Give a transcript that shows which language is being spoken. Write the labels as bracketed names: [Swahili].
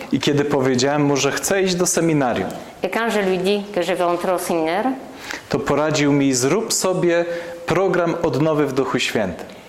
[Polish] I kiedy powiedziałem mu, że chcę iść do seminarium, [French] et quand je lui dis que je vais entrer au séminaire, [Polish] to poradził mi, zrób sobie program odnowy w Duchu Świętym.